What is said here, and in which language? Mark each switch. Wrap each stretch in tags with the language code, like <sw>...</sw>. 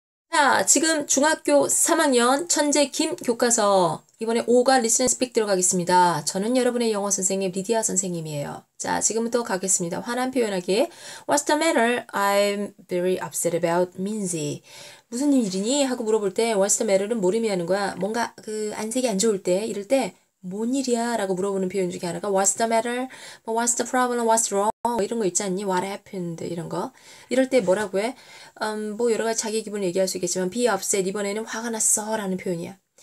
<ko>자, 지금 중학교 3학년 천재 김 교과서 이번에 5과 리슨 스픽 들어가겠습니다. 저는 여러분의 영어 선생님 리디아 선생님이에요. 자, 지금부터 가겠습니다. 화난 표현하기.</ko> <en>What's the matter? I'm very upset about Minzy.</en> <ko>무슨 일이니? 하고 물어볼 때</ko> <en>What's the matter</en> <ko>은 뭘 의미하는 거야? 뭔가 그 안색이 안 좋을 때 이럴 때뭔 일이야? 라고 물어보는 표현 중에 하나가</ko> <en>What's the matter? What's the problem? What's wrong?</en> <ko>뭐 이런 거 있지 않니?</ko> <en>What happened?</en> <ko>이런 거. 이럴 때 뭐라고 해? 뭐 여러 가지 자기 기분을 얘기할 수 있겠지만</ko> <en>Be upset.</en> <ko>이번에는 화가 났어. 라는 표현이야.</ko>